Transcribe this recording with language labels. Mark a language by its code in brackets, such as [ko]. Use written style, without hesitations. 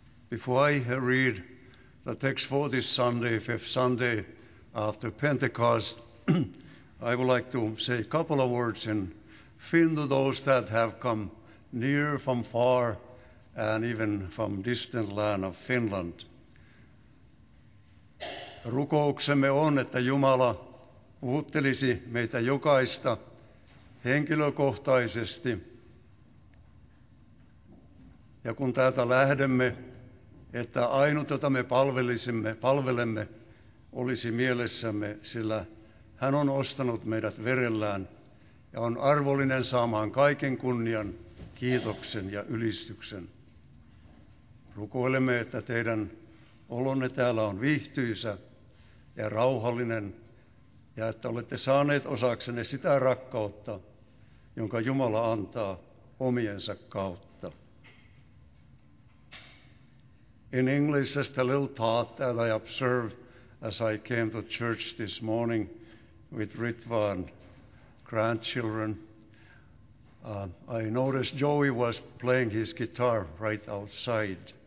[en] Before I read the text for this Sunday, fifth Sunday after Pentecost, I would like to say a couple of words in Finn to those that have come near from far and even from distant land of Finland. [fi] Rukouksemme on, että Jumala puhuttelisi meitä jokaista henkilökohtaisesti. Ja kun täältä lähdemme, että ainut, jota me palvelemme, olisi mielessämme, sillä hän on ostanut meidät verellään ja on arvollinen saamaan kaiken kunnian, kiitoksen ja ylistyksen. Rukoilemme, että teidän olonne täällä on viihtyisä ja rauhallinen, ja että olette saaneet osaksenne sitä rakkautta, jonka Jumala antaa omiensa kautta. [en] In English, just a little thought that I observed as I came to church this morning with Ritva and grandchildren. I noticed Joey was playing his guitar right outside.